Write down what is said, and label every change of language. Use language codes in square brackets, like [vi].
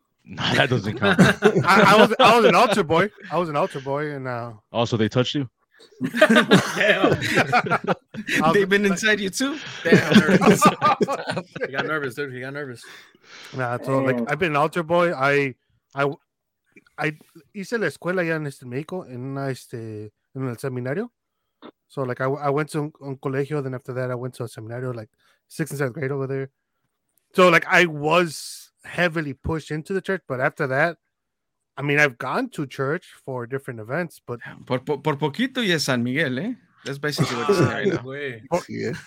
[en] No, that doesn't count. I was an altar boy. I was an altar boy, and also they touched you. Damn. They've been inside you too. Damn, nervous. He got nervous, dude. He got nervous. Nah, so like I've been an altar boy. [es] I hice la escuela ya en México en el seminario. [en] So like I went to [es] un colegio. [en] Then after that, I went to a seminario, like 6th and 7th grade over there. So like I was heavily pushed into the church, but after that I mean, I've gone to church for different events, but [es] por poquito y es San Miguel, eh? [en] That's basically what he's saying right now.